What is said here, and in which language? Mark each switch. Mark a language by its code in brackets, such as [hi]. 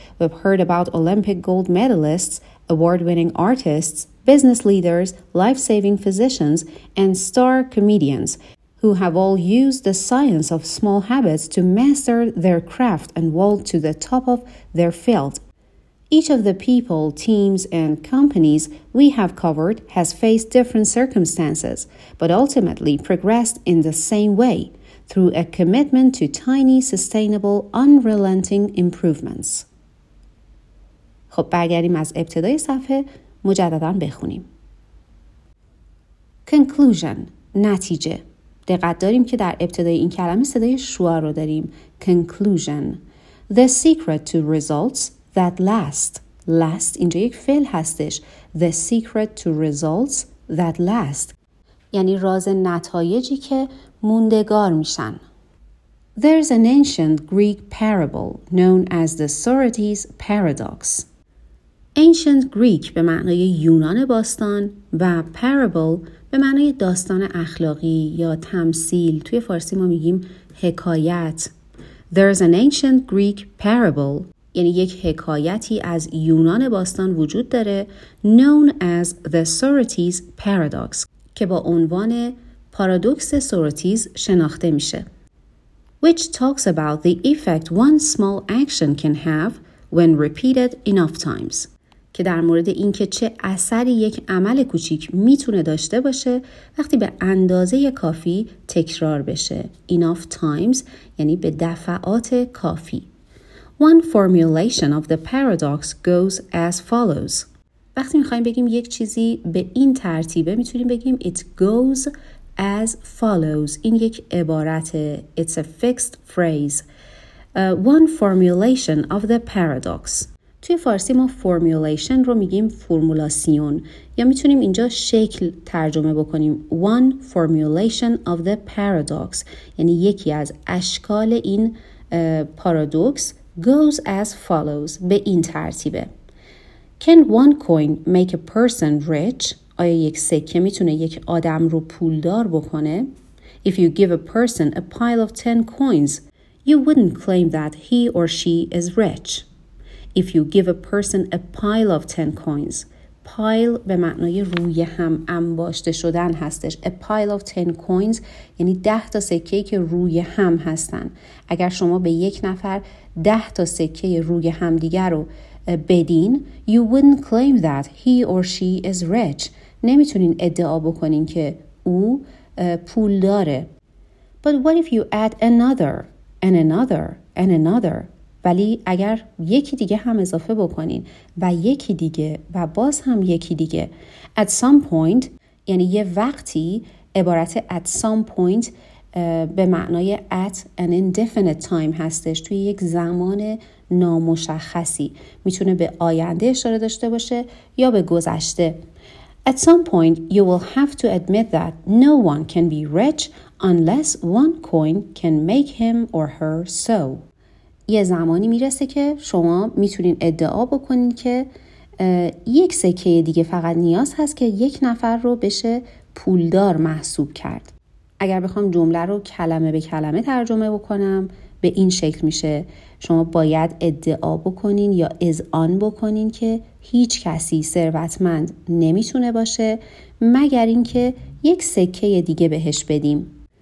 [en] We've heard about Olympic gold medalists, award-winning artists, business leaders, life-saving physicians, and star comedians who have all used the science of small habits to master their craft and vault to the top of their field. Each of the people, teams, and companies we have covered has faced different circumstances, but ultimately progressed in the same way, through a commitment to tiny, sustainable, unrelenting improvements. [fa] خب برگردیم از ابتدای صفحه مجدداً بخونیم. [en] Conclusion، نتیجه. [fa] دقت داریم که در ابتدای این کلمه صدای شوا رو داریم. [en] Conclusion. The secret to results that last. Last [fa] اینجا یک فعل هستش. [en] The secret to results that last. [fa] یعنی راز نتایجی که موندگار میشن. [en] There's an ancient Greek parable known as the Sorites Paradox. [fa] Ancient Greek به معنای یونان باستان و parable به معنای داستان اخلاقی یا تمثیل. توی فارسی ما میگیم حکایت. [en] There's an ancient Greek parable. [fa] یعنی یک حکایتی از یونان باستان وجود داره [en] known as the Sorites Paradox [fa] که با عنوان پارادوکس سوراتیز شناخته میشه. [en] Which talks about the effect one small action can have when repeated enough times. [fa] که در مورد اینکه چه اثری یک عمل کوچیک میتونه داشته باشه وقتی به اندازه کافی تکرار بشه. [en] Enough times [fa] یعنی به دفعات کافی. [en] One formulation of the paradox goes as follows. [fa] وقتی میخواییم بگیم یک چیزی به این ترتیبه میتونیم بگیم [en] It goes as follows. [fa] این یک عبارته. [en] It's a fixed phrase. One formulation of the paradox. [fa] توی فارسی ما formulation رو میگیم فرمولاسیون یا میتونیم اینجا شکل ترجمه بکنیم. [en] One formulation of the paradox [fa] یعنی یکی از اشکال این پارادوکس [en] goes as follows [fa] به این ترتیبه. [en] Can one coin make a person rich? [fa] آیا یک سکه میتونه یک آدم رو پولدار بکنه؟ [en] If you give a person a pile of 10 coins you wouldn't claim that he or she is rich. If you give a person a pile of 10 coins, [fa] پایل به معنای روی هم انباشته شدن هستش. [en] A pile of 10 coins [fa] یعنی 10 تا سکه که روی هم هستن. اگر شما به یک نفر 10 تا سکه روی هم دیگر رو بدین, [en] you wouldn't claim that he or she is rich. [fa] نمیتونین ادعا بکنین که او پول داره. [en] But what if you add another and another and another? [fa] ولی اگر یکی دیگه هم اضافه بکنین و یکی دیگه و باز هم یکی دیگه, [en] at some point [fa] یعنی یه وقتی, عبارت at some point به معنای [en] at an indefinite time [fa] هستش, توی یک زمان نامشخصی میتونه به آینده اشاره داشته باشه یا به گذشته. [en] At some point you will have to admit that no one can be rich unless one coin can make him or her so. [fa] یه زمانی میرسه که شما میتونین ادعا بکنین که یک سکه دیگه فقط نیاز هست که یک نفر رو بشه پولدار محسوب کرد. اگر بخوام جمله رو کلمه به کلمه ترجمه بکنم به این شکل میشه, شما باید ادعا بکنین یا اذعان بکنین که هیچ کسی ثروتمند نمیتونه باشه مگر اینکه یک سکه دیگه بهش بدیم.